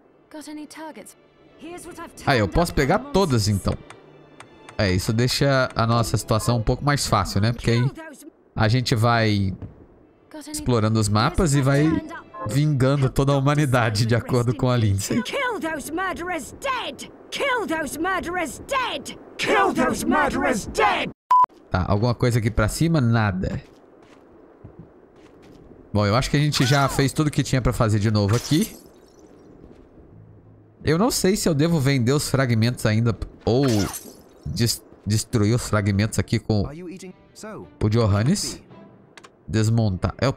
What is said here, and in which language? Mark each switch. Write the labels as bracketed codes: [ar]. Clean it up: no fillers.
[en] got any targets? [pt] Ah, eu posso pegar todas então. É, isso deixa a nossa situação um pouco mais fácil, né? Porque aí a gente vai explorando os mapas e vai vingando toda a humanidade de acordo com a Lindsay. [en] Kill those murderers dead! Kill those murderers dead! Kill those murderers dead! [pt] Tá, alguma coisa aqui pra cima? Nada. Bom, eu acho que a gente já fez tudo que tinha pra fazer de novo aqui. Eu não sei se eu devo vender os fragmentos ainda ou destruir os fragmentos aqui com o Johannes. Desmontar.